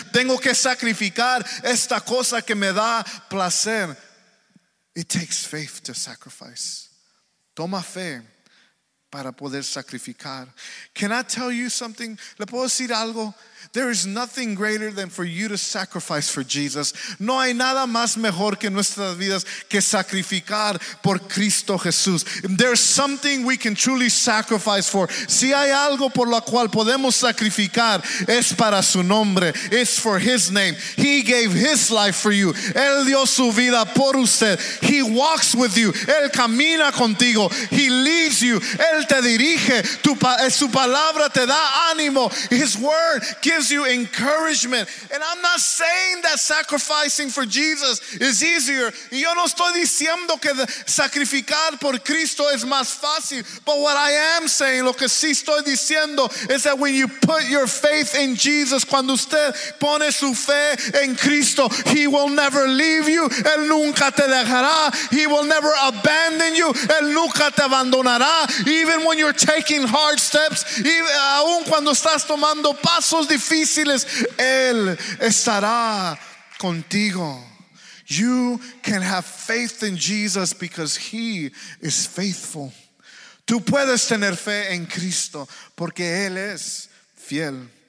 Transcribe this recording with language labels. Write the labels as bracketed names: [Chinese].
[Spanish] Tengo que sacrificar esta cosa que me da placer. [English] It takes faith to sacrifice. [Spanish] Toma fe para poder sacrificar. [English] Can I tell you something? [Spanish] ¿Le puedo decir algo? [English] There is nothing greater than for you to sacrifice for Jesus. [Spanish] No hay nada más mejor que nuestras vidas que sacrificar por Cristo Jesús. [English] There's something we can truly sacrifice for. [Spanish] Si hay algo por lo cual podemos sacrificar, es para su nombre. [English] It's for his name. He gave his life for you. [Spanish] Él dio su vida por usted. [English] He walks with you. [Spanish] Él camina contigo. [English] He leads you. Él [Spanish] te dirige, su palabra te da ánimo. [English] His word gives you encouragement. And I'm not saying that sacrificing for Jesus is easier. [Spanish] Y yo no estoy diciendo que sacrificar por Cristo es más fácil. [English] But what I am saying, [Spanish] lo que sí estoy diciendo, [English] is that when you put your faith in Jesus, [Spanish] cuando usted pone su fe en Cristo, [English] He will never leave you. [Spanish] Él nunca te dejará. [English] He will never abandon you. [Spanish] Él nunca te abandonará. [English] Even when you're taking hard steps, [Spanish] aun cuando estás tomando pasos difíciles, Él estará contigo. [English] You can have faith in Jesus because He is faithful. [Spanish] Tú puedes tener fe en Cristo porque Él es fiel.